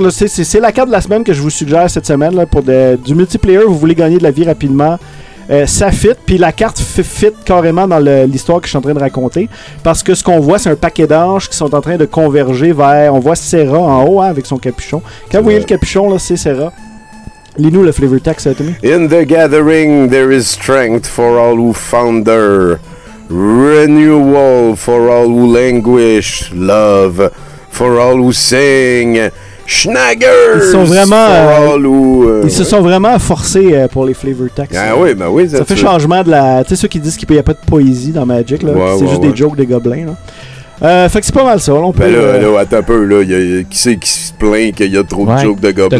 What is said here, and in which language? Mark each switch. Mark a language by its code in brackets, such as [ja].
[fr] Là, c'est la carte de la semaine que je vous suggère cette semaine là, pour du multiplayer. Vous voulez gagner de la vie rapidement. Ça fit, puis la carte fit carrément dans l'histoire que je suis en train de raconter. Parce que ce qu'on voit, c'est un paquet d'anges qui sont en train de converger vers. On voit Serra en haut hein, avec son capuchon. Quand vous voyez le capuchon, là, c'est Serra. Lis-nous le flavor text, Tommy. [en] In the gathering, there is strength for all who founder, renewal for all who languish, love for all who sing. Schnaggers! [fr] Ils sont vraiment. Ils se sont vraiment forcés pour les flavor text. Ah oui, ben oui, ça fait [en] true. [fr] Changement de la. Tu sais, ceux qui disent qu'il n'y a pas de poésie dans Magic, là. Ouais, c'est ouais, juste des jokes des gobelins, là. Fait que c'est pas mal ça, là. On peut, ben là, attends un peu, là. Qui c'est qui se plaint qu'il y a trop de jokes de gobelins?